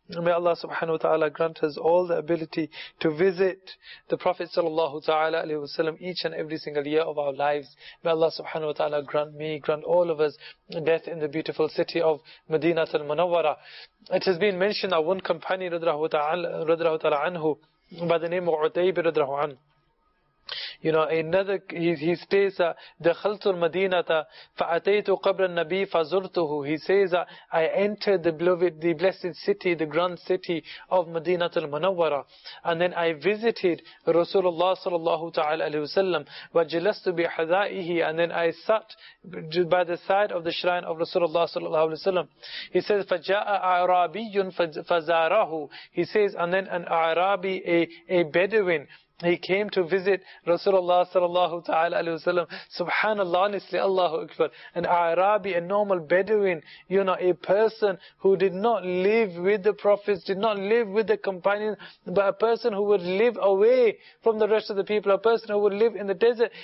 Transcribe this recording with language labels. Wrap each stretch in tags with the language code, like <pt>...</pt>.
<en>May Allah subhanahu wa ta'ala grant us all the ability to visit the Prophet sallallahu ta'ala alayhi wa sallam each and every single year of our lives. May Allah subhanahu wa ta'ala grant me, grant all of us death in the beautiful city of Madinat al-Munawwara. It has been mentioned that one companion, radhiyallahu ta'ala anhu, by the name of Utaybah radhiyallahu anhu. You know, another he states</en> <ar>دخلتُ المدينة فأتيتُ قبر النبي فزرتُه.</ar> <en>He says I entered the beloved, the blessed city, the grand city of Medina al-Munawwara, and then I visited Rasulullah sallallahu ta'ala alayhi wasallam</en> <ar>وجلستُ بحذائه,</ar> <en>and then I sat by the side of the shrine of Rasulullah sallallahu alayhi wasallam. He says</en> <ar>فجاء أعرابي فزاره.</ar> <en>He says and then an Arabi, a Bedouin, he came to visit Rasulullah sallallahu ta'ala alayhi wa sallam. Subhanallah, honestly, Allahu Akbar. An Arabi, a normal Bedouin, you know, a person who did not live with the prophets, did not live with the companions, but a person who would live away from the rest of the people, a person who would live in the desert.</en>